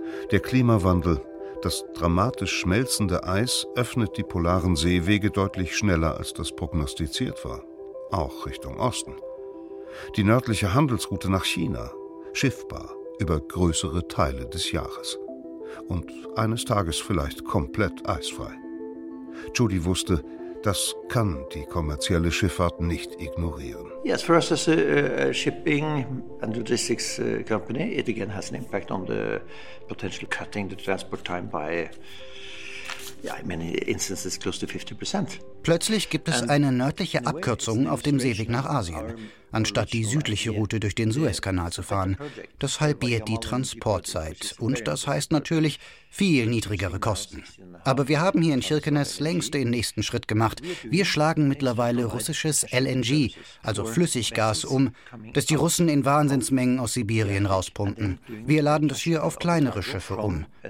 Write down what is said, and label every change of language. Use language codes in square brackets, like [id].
[de] Der Klimawandel, das dramatisch schmelzende Eis, öffnet die polaren Seewege deutlich schneller, als das prognostiziert war, auch Richtung Osten. Die nördliche Handelsroute nach China, schiffbar über größere Teile des Jahres. Und eines Tages vielleicht komplett eisfrei. Tschudi wusste, das kann die kommerzielle Schifffahrt nicht ignorieren. [en] Yes, for us as a shipping and logistics company, it again has an impact on the potential cutting the transport time by, yeah, in many instances close to 50%. [de] Plötzlich gibt es eine nördliche Abkürzung auf dem Seeweg nach Asien, anstatt die südliche Route durch den Suezkanal zu fahren. Das halbiert die Transportzeit und das heißt natürlich viel niedrigere Kosten. Aber wir haben hier in Kirkenes längst den nächsten Schritt gemacht. Wir schlagen mittlerweile russisches LNG, also Flüssiggas, um, das die Russen in Wahnsinnsmengen aus Sibirien rauspumpen. Wir laden das hier auf kleinere Schiffe um.